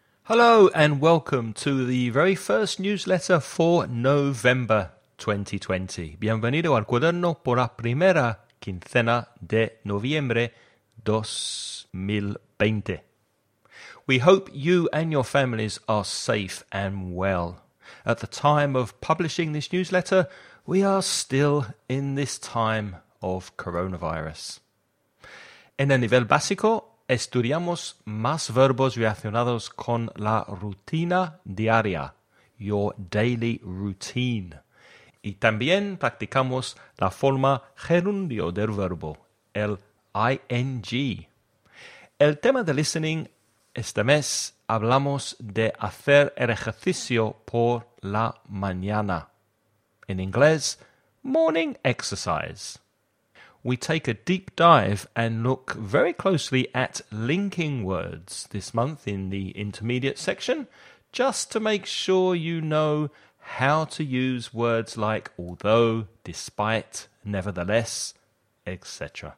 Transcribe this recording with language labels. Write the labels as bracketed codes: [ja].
[en] Hello and welcome to the very first newsletter for November 2020. [es] Bienvenido al cuaderno por la primera quincena de noviembre 2020. [en] We hope you and your families are safe and well. At the time of publishing this newsletter, we are still in this time of coronavirus. [es] En el nivel básico, estudiamos más verbos relacionados con la rutina diaria, [en] your daily routine. [es] Y también practicamos la forma gerundio del verbo, el ing. El tema de listening este mes hablamos de hacer el ejercicio por la mañana. En inglés, [en] morning exercise. We take a deep dive and look very closely at linking words this month in the intermediate section, just to make sure you know how to use words like although, despite, nevertheless, etc.